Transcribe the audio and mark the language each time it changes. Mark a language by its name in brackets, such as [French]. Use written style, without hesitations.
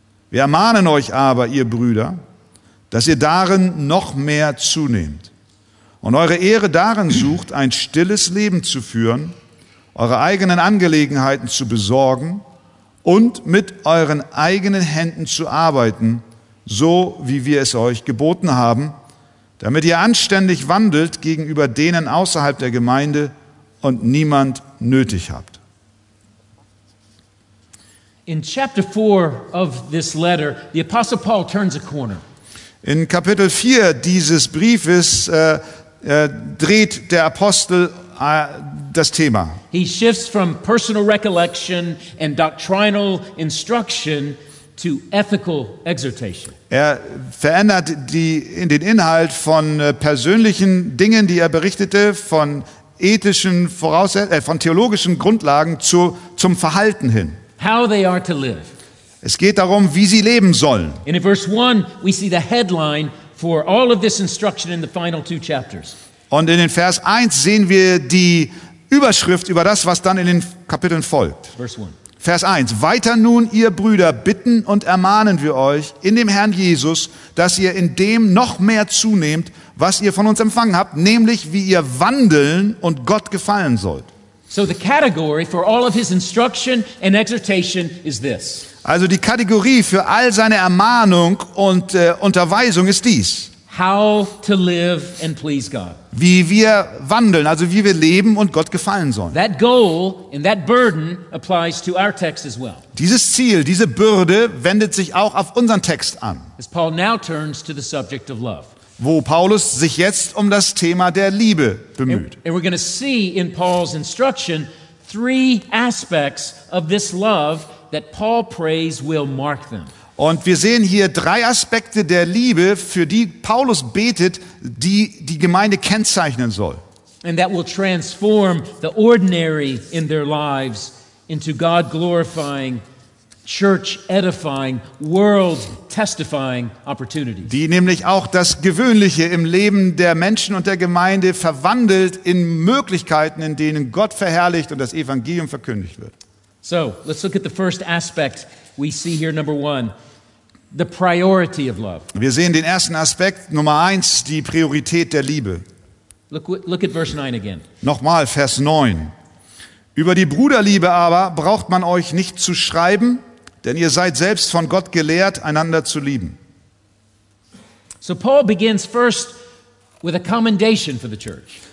[German] Wir ermahnen euch aber, ihr Brüder, dass ihr darin noch mehr zunehmt und eure Ehre darin sucht, ein stilles Leben zu führen, eure eigenen Angelegenheiten zu besorgen und mit euren eigenen Händen zu arbeiten, so wie wir es euch geboten haben, damit ihr anständig wandelt gegenüber denen außerhalb der Gemeinde und niemand nötig habt. [English] In chapter 4 of this letter, the Apostle Paul turns a corner. [German] In Kapitel 4 dieses Briefes dreht der Apostel das Thema. [English] He shifts from personal recollection and doctrinal instruction to ethical exhortation. [German] Er verändert den Inhalt von persönlichen Dingen, die er berichtete, von ethischen von theologischen Grundlagen zum Verhalten hin. [English] How they are to live. [German] Es geht darum, wie sie leben sollen. [English] In verse 1 we see the headline for all of this instruction in the final two chapters. [German] Und in den Vers 1 sehen wir die Überschrift über das, was dann in den Kapiteln folgt. [English] Verse 1. [German] Vers 1. Weiter nun, ihr Brüder, bitten und ermahnen wir euch in dem Herrn Jesus, dass ihr in dem noch mehr zunehmt, was ihr von uns empfangen habt, nämlich wie ihr wandeln und Gott gefallen sollt. [English] So the category for all of his instruction and exhortation is this. [German] Also die Kategorie für all seine Ermahnung und Unterweisung ist dies. [English] How to live and please God. [German] Wie wir wandeln, also wie wir leben und Gott gefallen sollen. [English] That goal and that burden applies to our text as well. [German] Dieses Ziel, diese Bürde wendet sich auch auf unseren Text an. [English] As Paul now turns to the subject of love. [German] Wo Paulus sich jetzt um das Thema der Liebe bemüht. [English] And we're going to see in Paul's instruction three aspects of this love that Paul prays will mark them. [German] Und wir sehen hier drei Aspekte der Liebe, für die Paulus betet, die die Gemeinde kennzeichnen soll. [English] And that will transform the ordinary in their lives into God glorifying, church edifying, world testifying opportunities. [German] Die nämlich auch das Gewöhnliche im Leben der Menschen und der Gemeinde verwandelt in Möglichkeiten, in denen Gott verherrlicht und das Evangelium verkündigt wird. [English] So, let's look at the first aspect. We see here number one, the priority of love. [German] Wir sehen den ersten Aspekt, Nummer eins, die Priorität der Liebe. [English] Look at verse 9 again. [German] Nochmal Vers 9. Über die Bruderliebe aber braucht man euch nicht zu schreiben, denn ihr seid selbst von Gott gelehrt, einander zu lieben. [English] So Paul begins first with a commendation for the church.